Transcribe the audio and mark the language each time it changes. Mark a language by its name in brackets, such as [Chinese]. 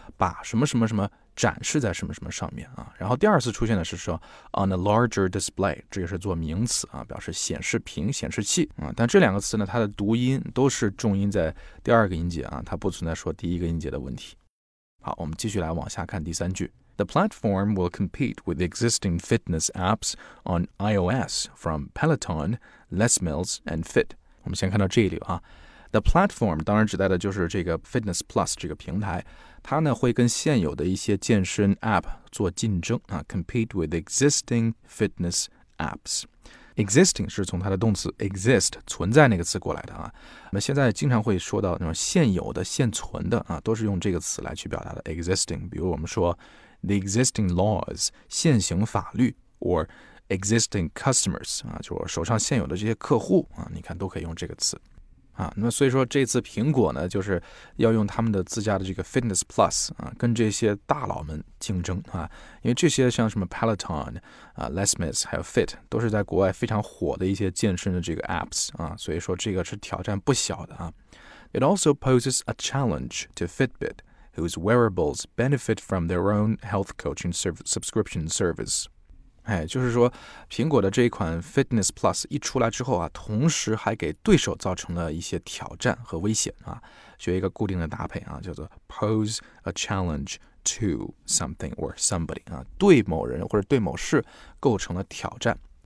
[Chinese] 把什么什么什么展示在什么什么上面啊。然后第二次出现的是说 [English] on a larger display， [Chinese] 这也是做名词啊，表示显示屏、显示器啊。但这两个词呢，它的读音都是重音在第二个音节啊，它不存在说第一个音节的问题。好，我们继续来往下看第三句。 [English] The platform will compete with existing fitness apps on iOS from Peloton, Les Mills, and Fit. [Chinese] 我们先看到这一流啊。 The platform 当然指代的就是这个 Fitness Plus 这个平台，它呢会跟现有的一些健身 app 做竞争啊 ， [English] compete with existing fitness apps。 [Chinese] Existing 是从它的动词 exist 存在那个词过来的啊。那么现在经常会说到那种现有的、现存的啊，都是用这个词来去表达的 existing。比如我们说。 [English] The existing laws, [Chinese] 现行法律 [English] or existing customers, [Chinese] 啊，就我手上现有的这些客户啊，你看都可以用这个词啊。那么所以说这次苹果呢，就是要用他们的自家的这个 Fitness Plus 啊，跟这些大佬们竞争啊。因为这些像什么 Peloton 啊、Les Mills 还有 Fit 都是在国外非常火的一些健身的这个 apps 啊，所以说这个是挑战不小的啊。 [English] It also poses a challenge to Fitbit. Whose wearables benefit from their own health coaching subscription service. [Chinese] 哎，就是说，苹果的这一款 Fitness Plus 一出来之后啊，同时还给对手造成了一些挑战和威胁啊。学一个固定的搭配啊，叫做 [English] pose a challenge to something or somebody [Chinese] 啊，对某人或者对某事构成了挑战。